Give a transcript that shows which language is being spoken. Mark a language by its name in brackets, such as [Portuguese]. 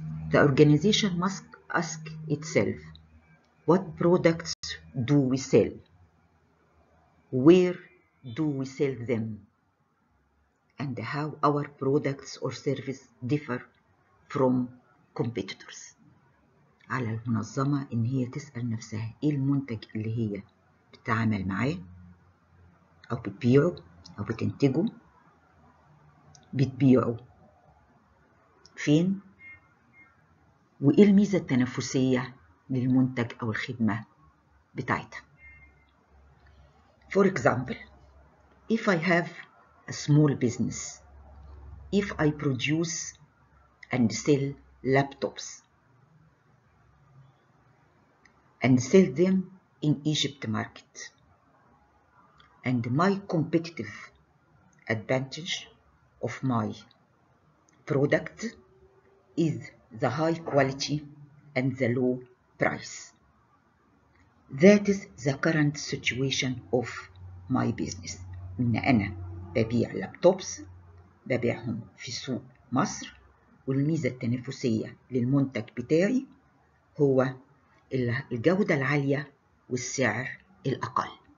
[English] The organization must ask itself, what products do we sell? Where do we sell them? And how our products or service differ from competitors? [Arabic] على المنظمة إن هي تسأل نفسها إيه المنتج اللي هي بتعمل معاه أو بتبيعه أو بتنتجه بتبيعه فين وإيه الميزة التنافسية للمنتج أو الخدمة بتاعتها. [English] For example, if I have a small business, if I produce and sell laptops and sell them in Egypt market, and my competitive advantage of my product is the high quality and the low price. That is the current situation of my business, [Arabic] ان انا ببيع لابتوبس ببيعهم في سوق مصر، والميزة التنافسية للمنتج بتاعي هو الجودة العالية والسعر الأقل.